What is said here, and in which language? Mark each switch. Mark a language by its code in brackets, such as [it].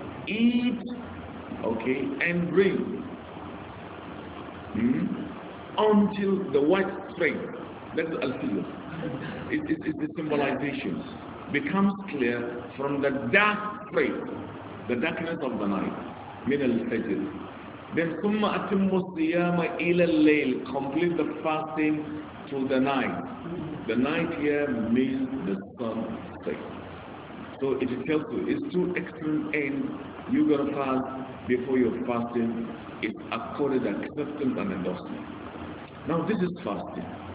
[en] Eat, okay, and drink until the white strength, that's al-fiyah, it's the symbolization, becomes clear from the dark strength, the darkness of the night. [ar] من الفجر. [en] Then [ar] ثم أتم الصيام إلى الليل. [en] Complete the fasting to the night. The night here means the sun set. So it tells you it's two extreme ends. You gotta fast before your fasting is accorded acceptance and endorsement. Now this is fasting.